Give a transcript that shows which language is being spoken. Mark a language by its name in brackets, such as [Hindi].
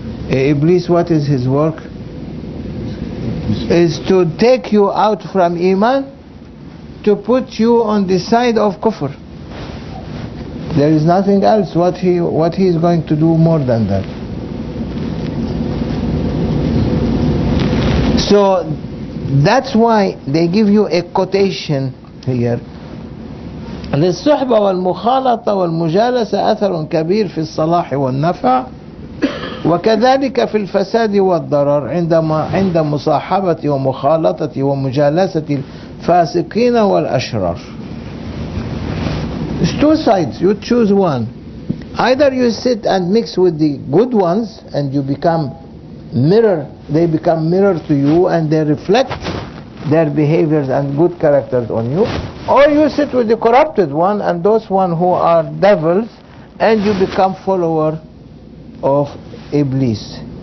[English] Iblis, what is his work? Is to take you out from Iman, to put you on the side of Kufr. There is nothing else what he is going to do more than that. So that's why they give you a quotation here. [Arabic] للصحبة والمخالطة والمجالسة أثر كبير في الصلاح والنفع وكذلك في الفساد والضرر عند مصاحبة ومخالطة ومجالسة الفاسقين والأشرار. [English] It's two sides, you choose one. Either you sit and mix with the good ones and you become mirror, they become mirror to you and they reflect their behaviors and good characters on you, or you sit with the corrupted one and those one who are devils, and you become follower of Iblis.